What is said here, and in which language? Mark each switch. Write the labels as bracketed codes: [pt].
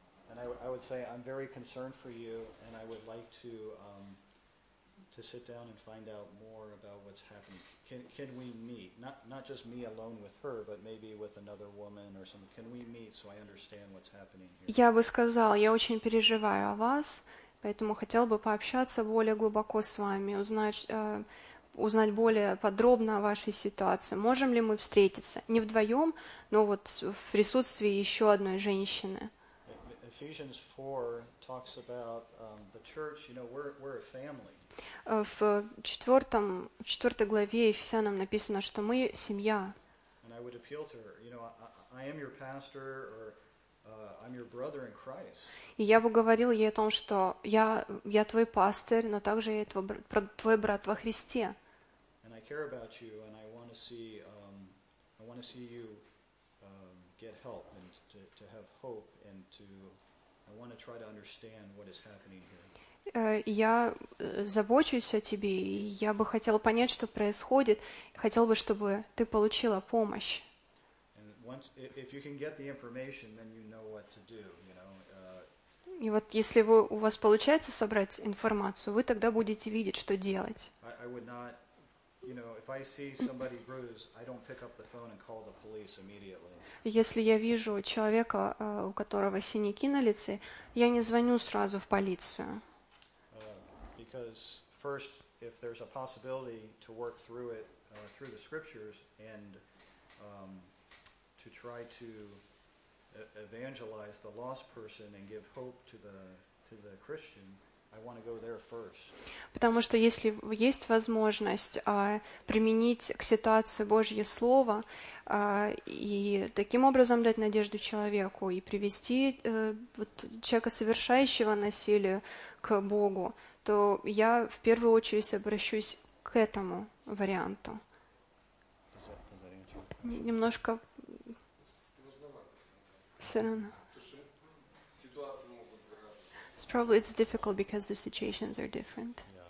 [en] And I would say I'm very concerned for you, and I would like to sit down and find out more about what's happening. Can we meet? Not just me alone with her, but maybe with another woman or something. Can we meet so I understand what's happening here? [ru] Я бы сказал, я очень переживаю о вас. Поэтому хотел бы пообщаться более глубоко с вами, узнать более подробно о вашей ситуации. Можем ли мы встретиться? Не вдвоем, но вот в присутствии еще одной женщины. [en] Ephesians 4 talks about the church, you know, we're a family. [ru] В четвертой главе Ефесянам написано, что мы семья. [en] And I would appeal to her, you know, I am your pastor or... I'm your brother in Christ. [ru] И я бы говорил ей о том, что я твой пастор, но также я твой брат во Христе. [en] And I care about you, and I want to see, I want to see you get help and to have hope and to, I want to try to understand what is happening here. [ru] Я забочусь о тебе, и я бы хотел понять, что происходит, хотел бы, чтобы ты получила помощь. [en] Once, if you can get the information, then you know what to do, you know. [ru] И вот если вы, у вас получается собрать информацию, вы тогда будете видеть, что делать. [en] I would not, you know, if I see somebody bruised, I don't pick up the phone and call the police immediately. [ru] Если я вижу человека, у которого синяки на лице, я не звоню сразу в полицию. [en] Because first, if there's a possibility to work through it, through the scriptures and... to try to evangelize the lost person and give hope to the Christian, I want to go there first. [ru] Потому что если есть возможность применить к ситуации Божье слово и таким образом дать надежду человеку и привести человека, совершающего насилие, к Богу, то я в первую очередь обращусь к этому варианту. Немножко... [en] It's probably it's difficult because the situations are different.